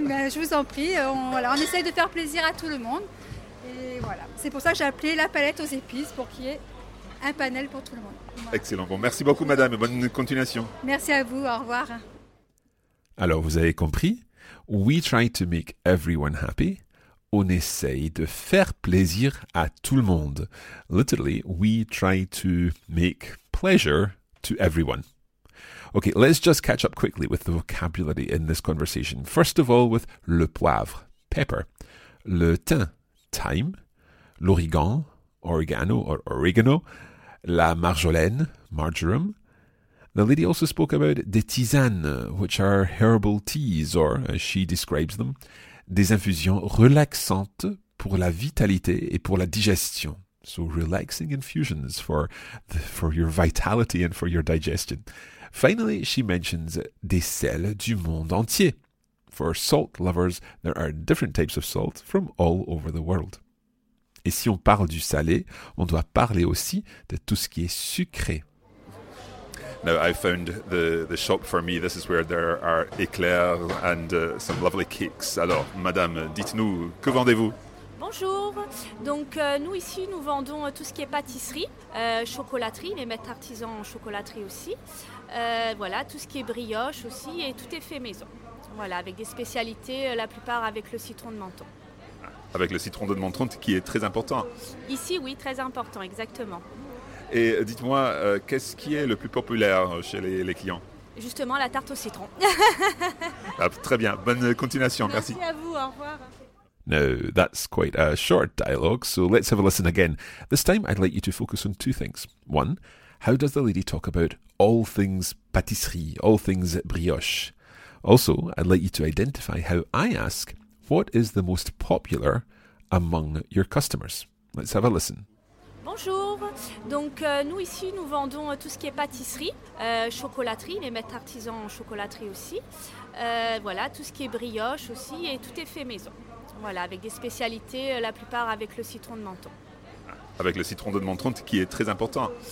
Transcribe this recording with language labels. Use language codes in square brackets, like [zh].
[fr] Ben, je vous en prie, on essaye de faire plaisir à tout le monde. Et voilà, c'est pour ça que j'ai appelé la palette aux épices, pour qu'il y ait un panel pour tout le monde. Voilà. Excellent, bon, merci beaucoup madame, bonne continuation. Merci à vous, au revoir. Alors vous avez compris, [en] we try to make everyone happy. [fr] On essaye de faire plaisir à tout le monde. [en] Literally, we try to make pleasure to everyone. Okay, let's just catch up quickly with the vocabulary in this conversation. First of all, with le poivre, pepper. Le thym, thyme. L'origan, oregano or oregano. La marjolaine, marjoram. The lady also spoke about des tisanes, which are herbal teas, or as she describes them, [fr] des infusions relaxantes pour la vitalité et pour la digestion. [en] So relaxing infusions for your vitality and for your digestion. Finally, she mentions [fr] des sels du monde entier. [en] For salt lovers, there are different types of salt from all over the world. [fr] Et si on parle du salé, on doit parler aussi de tout ce qui est sucré. [en] Now, I found the shop for me. This is where there are éclairs and some lovely cakes. [fr] Alors, madame, dites-nous, que vendez-vous? Bonjour. Donc, nous ici, nous vendons tout ce qui est pâtisserie, chocolaterie, les maîtres artisans en chocolaterie aussi. Voilà, tout ce qui est brioche aussi, et tout est fait maison. Voilà, avec des spécialités, la plupart avec le citron de menton. Avec le citron de menton, qui est très important. Ici, oui, très important, exactement. Et dites-moi, qu'est-ce qui est le plus populaire chez les clients? Justement, la tarte au citron. Ah, très bien, bonne continuation, merci. Merci à vous, au revoir. [en] Now, that's quite a short dialogue, so let's have a listen again. This time, I'd like you to focus on two things. One, how does the lady talk about all things pâtisserie, all things brioche? Also, I'd like you to identify how I ask, what is the most popular among your customers? Let's have a listen. [fr] Bonjour. Donc, nous ici, nous vendons tout ce qui est pâtisserie, chocolaterie, les maîtres artisans en chocolaterie aussi. Voilà, tout ce qui est brioche aussi, et tout est fait maison. Voilà, avec des spécialités, la plupart avec le citron de menton. Avec le citron de menton, qui est très important.